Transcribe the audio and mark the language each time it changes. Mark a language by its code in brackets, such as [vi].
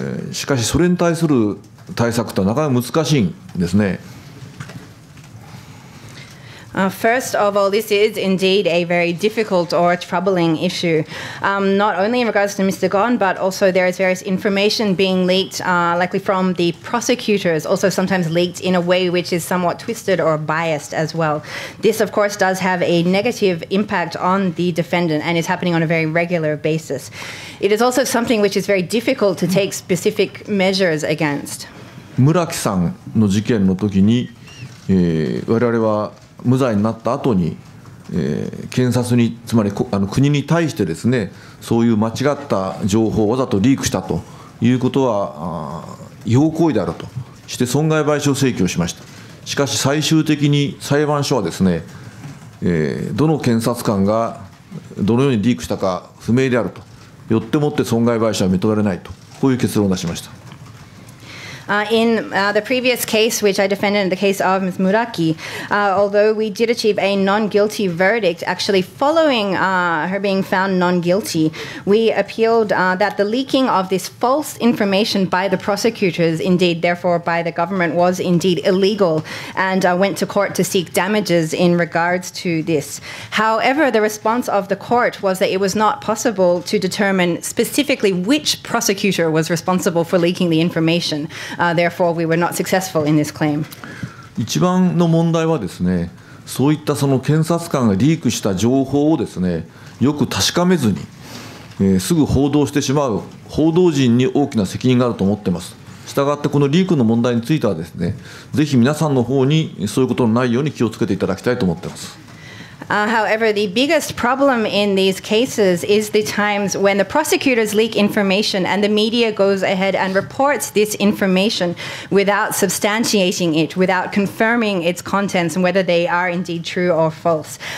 [ja] しかしそれに対する対策とはなかなか難しいんですね。 [en] First of all, this is indeed a very difficult or troubling issue, not only in regards to Mr. Gon, but also there is various information being leaked, likely from the prosecutors, also sometimes leaked in a way which is somewhat twisted or biased as well. This, of course, does have a negative impact on the defendant and is happening on a very regular basis. It is also something which is very difficult to take specific measures against. [ja] 村木さんの事件の時に、我々は無罪になった後に、検察に、つまり国に対してですね、そういう間違った情報をわざとリークしたということは違法行為であるとして損害賠償請求をしました。しかし最終的に裁判所はですね、どの検察官がどのようにリークしたか不明であると、よってもって損害賠償は認められないと、こういう結論を出しました。 [en] In the previous case, which I defended in the case of Ms. Muraki, although we did achieve a non-guilty verdict, actually following her being found non-guilty, we appealed that the leaking of this false information by the prosecutors, indeed, therefore by the government, was indeed illegal, and went to court to seek damages in regards to this. However, the response of the court was that it was not possible to determine specifically which prosecutor was responsible for leaking the information. Therefore, we were not successful in this claim. [ja] 一番の問題はですね、そういったその検察官がリークした情報をですね、よく確かめずに、すぐ報道してしまう報道陣に大きな責任があると思っています。したがってこのリークの問題についてはですね、ぜひ皆さんの方にそういうことのないように気をつけていただきたいと思っています。 [en] However, the biggest problem in these cases is the times when the prosecutors leak information and the media goes ahead and reports this information without substantiating it, without confirming its contents and whether they are indeed true or false.